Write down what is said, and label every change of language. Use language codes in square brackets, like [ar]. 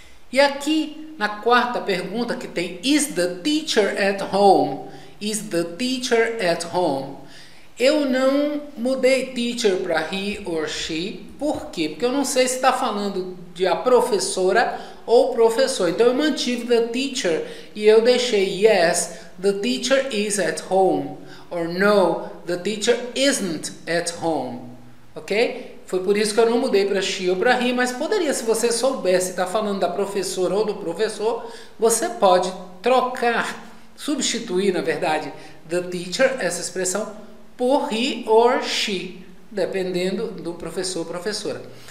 [pt] E aqui, na quarta pergunta que tem, [en] is the teacher at home? Is the teacher at home? [pt] Eu não mudei teacher para [en] he or she. [pt] Por quê? Porque eu não sei se está falando de a professora ou professor. Então, eu mantive [en] the teacher [pt] e eu deixei [en] yes, the teacher is at home. Or no, the teacher isn't at home. Ok? [pt] Foi por isso que eu não mudei para she ou para he, mas poderia, se você soubesse, está falando da professora ou do professor, você pode trocar, substituir, na verdade, the teacher, essa expressão, por [en] he or she, [pt] dependendo do professor ou professora.